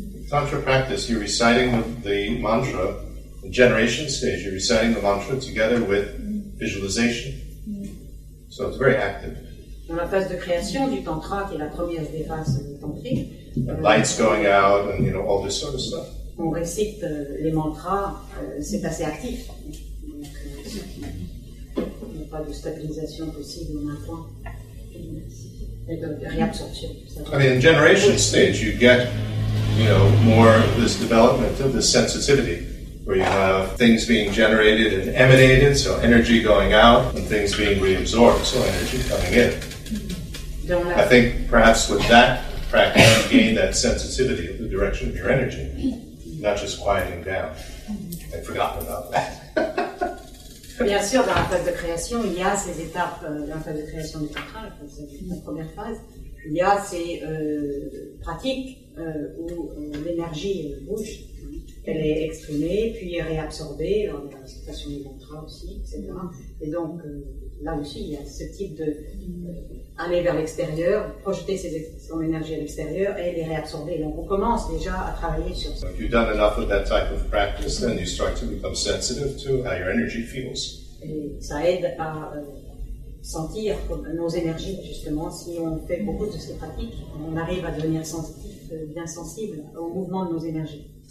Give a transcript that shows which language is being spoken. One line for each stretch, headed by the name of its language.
English: Tantra practice, you're reciting the mantra, the generation stage, you're reciting the mantra together with visualization. So it's very active.
French: Dans la phase de création du tantra, qui est la première des phases tantriques,
English: lights going out and all this sort of stuff.
French: On récite les mantras, c'est assez actif. Donc, il n'y a pas de stabilisation possible en un point. Et donc, réabsorption.
English: I mean, in generation stage, you get, more this development of the sensitivity, where you have things being generated and emanated, so energy going out, and things being reabsorbed, so energy coming in. I think perhaps with that practice, you gain that sensitivity of the direction of your energy, not just quieting down. I'd forgotten about that.
French: Bien sûr, dans la phase de création, il y a ces étapes, dans la phase de création du tantra, la première phase, il y a ces pratiques où l'énergie bouge. Elle est exprimée, puis réabsorbée dans la situation du mantra aussi, etc. Et donc, là aussi, il y a ce type de aller vers l'extérieur, projeter son énergie à l'extérieur et les réabsorber. Donc, on commence déjà à travailler sur ça.
English: If you've done enough of that type of practice, then you start to become sensitive to how your energy feels.
French: Et ça aide à sentir nos énergies, justement. Si on fait beaucoup de ces pratiques, on arrive à devenir sensitif, bien sensible au mouvement de nos énergies.